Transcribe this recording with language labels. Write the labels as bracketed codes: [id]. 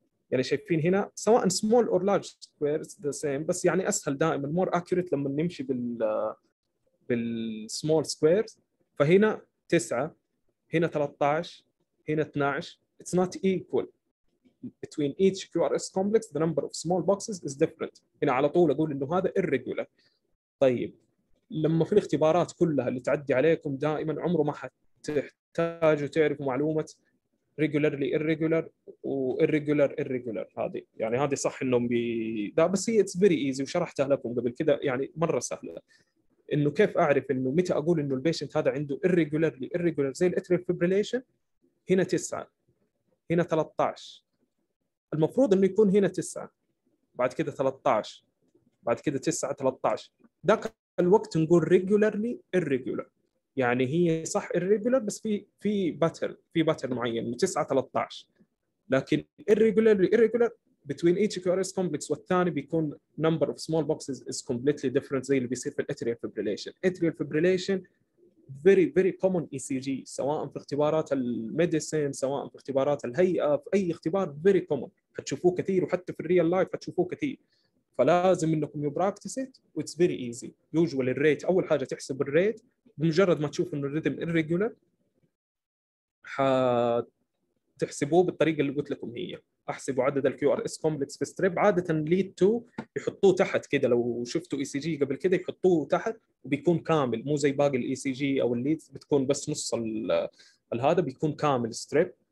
[ar] يعني شايفين هنا سواء [en] small or large squares the same، [ar] بس يعني اسهل دائما [en] more accurate [ar] لما نمشي بالسمول سكويرز. فهنا 9، هنا 13، هنا 12. [en] It's not equal between each QRS complex. The number of small boxes is different. [ar] هنا على طول أقول إنه هذا irregular. طيب لما في الاختبارات كلها اللي تعدي عليكم دائما، عمره ما حتحتاجوا تعرفوا معلومة regularly irregular و irregular irregular. هذه يعني هذه صح إنهم ده، بس هي [en] it's very easy [ar] وشرحتها لكم قبل كده، يعني مرة سهلة. انه كيف اعرف انه متى اقول انه البيشنت هذا عنده irregularly irregular زي الاتريال فيبريليشن؟ هنا 9، هنا 13، المفروض انه يكون هنا 9 بعد كده 13 بعد كده 9 13، ذاك الوقت نقول regularly irregular. يعني هي صح irregular، بس في باتر، في باتر معين 9 13. [en] لكن irregularly irregular between each QRS complex [ar] والثاني بيكون [en] number of small boxes is completely different [ar] زي اللي بيصير في [en] atrial fibrillation. [ar] Atrial fibrillation [en] very very common ECG، [ar] سواء في اختبارات الميديسين، سواء في اختبارات الهيئة، في أي اختبار [en] very common [ar] هتشوفوه كثير، وحتى في الريال لايف هتشوفوه كثير. فلازم إنكم [en] you practice it it's very easy. [ar] Usually الريت أول حاجة تحسب الريت، بمجرد ما تشوف إنه الريتم irregular تحسبوه بالطريقة اللي قلت لكم، هي احسب عدد الكيو ار اس كومبلكس في ستريب. عاده ليد تو يحطوه تحت كده، لو شفتوا اي سي جي قبل كده يحطوه تحت وبيكون كامل، مو زي باقي الاي سي جي او الليد بتكون بس نص هذا، بيكون كامل ستريب.